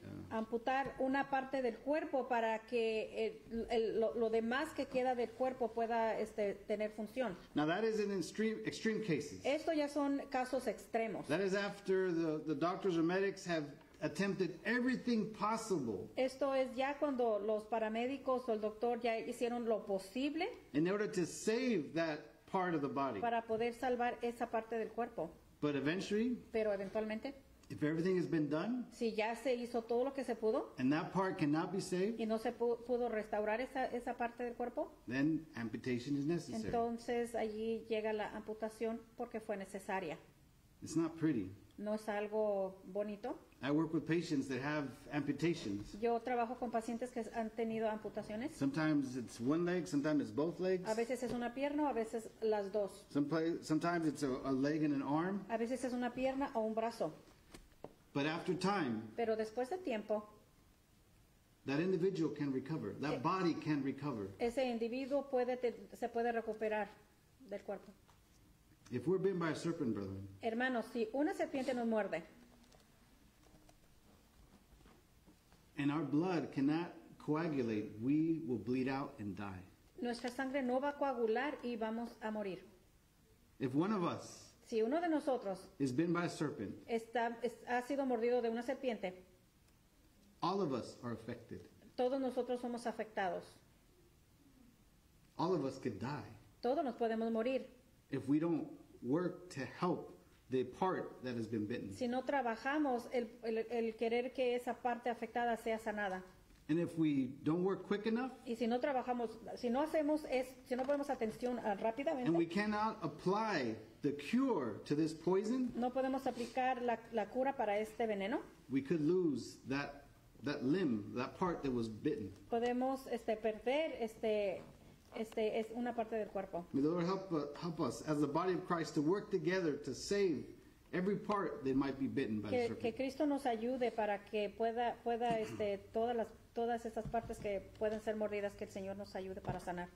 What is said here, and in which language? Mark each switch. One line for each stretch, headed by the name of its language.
Spanish: Amputar una parte del cuerpo para que lo demás que queda del cuerpo pueda tener función.
English: Now that is in extreme cases.
Spanish: Esto ya son casos extremos.
English: That is after the doctors or medics have attempted everything possible.
Spanish: Esto es ya cuando los paramédicos o el doctor ya hicieron lo posible.
English: In order to save that part of the body.
Spanish: Para poder salvar esa parte del cuerpo.
English: But eventually.
Spanish: Pero eventualmente.
English: If everything has been done.
Spanish: Si ya se hizo todo lo que se pudo.
English: And that part cannot be saved.
Spanish: Y no se pudo restaurar esa parte del cuerpo.
English: Then amputation is necessary.
Spanish: Entonces allí llega la amputación porque fue necesaria.
English: It's not pretty.
Spanish: No es algo bonito.
English: I work with patients that have amputations.
Spanish: Yo trabajo con pacientes que han tenido amputaciones.
English: Sometimes it's one leg, sometimes it's both legs.
Spanish: A veces es una pierna, a veces las dos.
English: Sometimes it's a leg and an arm.
Spanish: A veces es una pierna o un brazo.
English: But after time,
Spanish: pero después de tiempo,
English: that individual can recover. That body can recover.
Spanish: Ese individuo puede se puede recuperar del cuerpo.
English: If we're bitten by a serpent, brethren,
Spanish: hermanos, si una serpiente nos muerde,
English: and our blood cannot coagulate, we will bleed out and die.
Spanish: Nuestra sangre no va a coagular y vamos a morir.
English: If one of us,
Spanish: si uno de nosotros,
English: is bitten by a serpent,
Spanish: ha sido mordido de una serpiente,
English: all of us are affected.
Spanish: Todos nosotros somos afectados.
English: All of us could die.
Spanish: Todos nos podemos morir.
English: If we don't work to help the part that has been bitten.
Spanish: Si no trabajamos el querer que esa parte afectada sea sanada.
English: And if we don't work quick enough.
Spanish: Y si no trabajamos, si no hacemos es, si no ponemos atención rápidamente.
English: And we cannot apply the cure to this poison.
Spanish: No podemos aplicar la cura para este veneno.
English: We could lose that limb, that part that was bitten.
Spanish: Podemos perder es una parte del cuerpo.
English: May the Lord help us as the body of Christ to work together to save every part that might be bitten by the serpent.
Spanish: Que Cristo nos ayude para que pueda todas estas partes que pueden ser mordidas, que el Señor nos ayude para sanar.